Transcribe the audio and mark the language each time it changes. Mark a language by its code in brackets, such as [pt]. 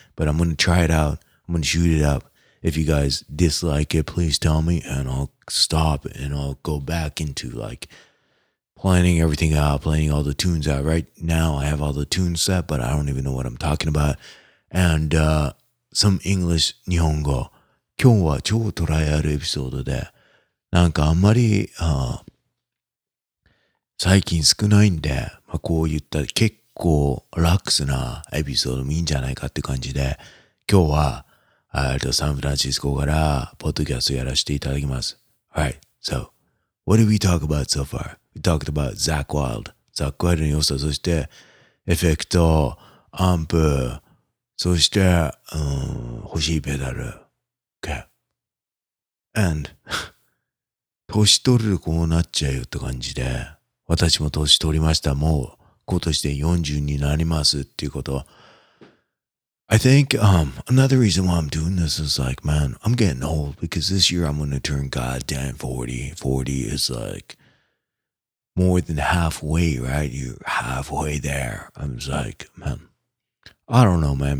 [en] But I'm going to try it out. I'm going to shoot it up. If you guys dislike it, please tell me, and I'll stop, and I'll go back into like planning everything out, planning all the tunes out. Right now, I have all the tunes set, but I don't even know what I'm talking about. And some English, 日本語。 [ja] 今日は超トライアルエピソードで、なんかあんまり最近少ないんで、まあ、こういった結構ラックスなエピソードもいいんじゃないかって感じで、今日はサンフランシスコからポッドキャストやらせていただきます。 [en] Alright, so, what did we talk about so far? We talked about Zach Wild. [ja] Zach Wild の良さ、そしてエフェクト、アンプ、そして、欲しいペダル。Okay. And, 年取るとこうなっちゃうよって感じで、私も年取りました。もう今年で40になりますっていうこと。 [en] I think, another reason why I'm doing this is like, man, I'm getting old because this year I'm going to turn goddamn 40. 40 is like more than halfway, right? You're halfway there. I'm just like, man, I don't know, man.